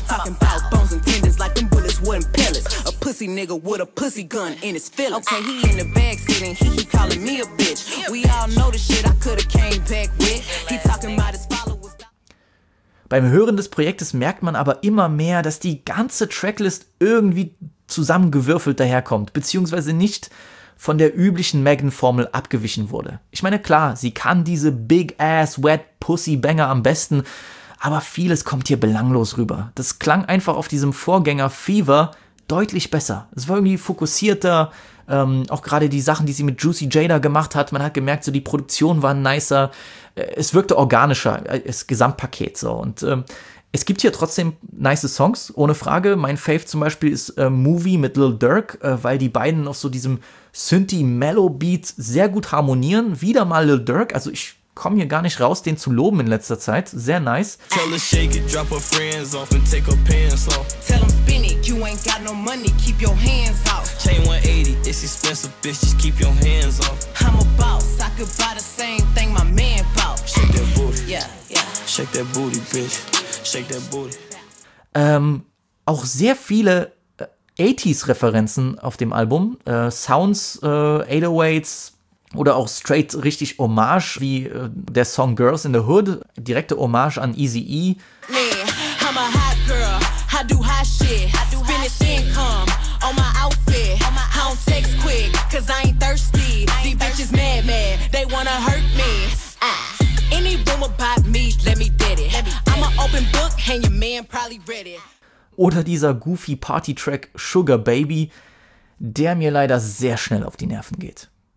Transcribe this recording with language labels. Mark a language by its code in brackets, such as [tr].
[en] Talking about bones and tendons like them bullets wasn't pellets. A pussy nigga with a pussy gun in his fillet. Okay, he in the back sitting, he keep calling me a bitch. We all know the shit I could have came back with. He talking about his followers. [de] Beim Hören des Projektes merkt man aber immer mehr, dass die ganze Tracklist irgendwie zusammengewürfelt daherkommt, beziehungsweise nicht von der üblichen Megan-Formel abgewichen wurde. Ich meine, klar, sie kann diese Big-Ass-Wet-Pussy-Banger am besten, aber vieles kommt hier belanglos rüber. Das klang einfach auf diesem Vorgänger Fever deutlich besser. Es war irgendwie fokussierter, auch gerade die Sachen, die sie mit Juicy Jada gemacht hat, man hat gemerkt, so die Produktion war nicer, es wirkte organischer, das Gesamtpaket so. Und es gibt hier trotzdem nice Songs, ohne Frage. Mein Fave zum Beispiel ist Movie mit Lil Durk, weil die beiden auf so diesem Synthie-Mellow-Beat sehr gut harmonieren. Wieder mal Lil Durk, also ich komme hier gar nicht raus, den zu loben in letzter Zeit. Sehr nice. [en] Tell her shake it, drop her friends off and take her pants off. Tell them spin it, you ain't got no money, keep your hands off. Chain 180, it's expensive, bitch, just keep your hands off. I'm a boss, I could buy the same thing my man bought. Shake that booty, yeah, yeah. Shake that booty, bitch, shake that booty. [de] Auch sehr viele 80s-Referenzen auf dem Album, Sounds, 808s oder auch straight richtig Hommage, wie der Song Girls in the Hood, direkte Hommage an Eazy-E. [en] Man, I'm a hot girl, I do hot shit, I do finish income on my outfit, I don't text quick, cause I ain't thirsty, these bitches mad, mad, they wanna hurt me, any rumor about me, let me dead it, I'm an open book and your man probably read it. [de] Oder dieser goofy Party-Track Sugar Baby, der mir leider sehr schnell auf die Nerven geht.